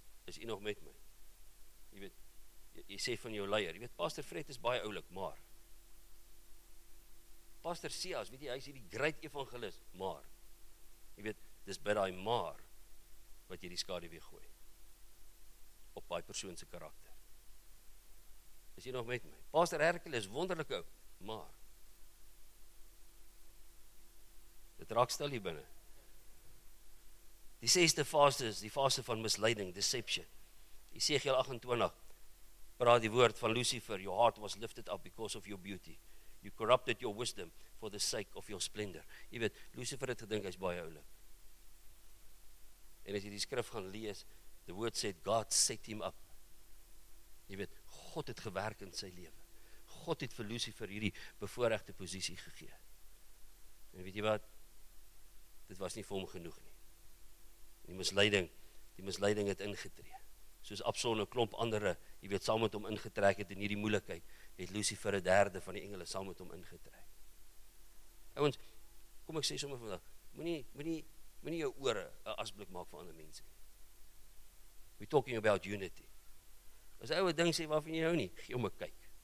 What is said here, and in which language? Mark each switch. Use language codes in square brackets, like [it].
[af] Is jy nog met my? Jy weet, jy sê van jou leier, jy weet, Pastor Fred is baie oulik, maar Pastor Sias, weet jy, hy is hierdie great evangelist, maar jy weet, dis by daai maar wat jy die skade weer gooi op daai persoon se karakter. Is jy nog met my? Pastor Hercules, wonderlik ou, maar het raak stil hier binnen. Die sesde fase is die fase van misleiding, deception. Esegiel 28, praat die woord van Lucifer, [en] your heart was lifted up because of your beauty. You corrupted your wisdom for the sake of your splendor. [af] Jy weet, Lucifer het gedink, hy is baie oulik. En as jy die skrif gaan lees, [en] the word said, God set him up. [af] Jy weet, God het gewerk in sy leven. God het vir Lucifer hierdie bevoorregte posisie gegee. En weet jy wat? Dit was nie vir hom genoeg nie. Die misleiding het ingetree. Soos Absalom 'n klomp andere, jy weet, saam met hom ingetrek het in hierdie moeilikheid, het Lucifer 'n derde van die engele saam met hom ingetrek. Ouens, kom ek sê sommer vandag, moenie jou ore 'n asblik maak vir ander mense. [en] We're talking about unity. [af] As ouwe ding sê, waarvan jy nou nie, gee hom 'n kyk.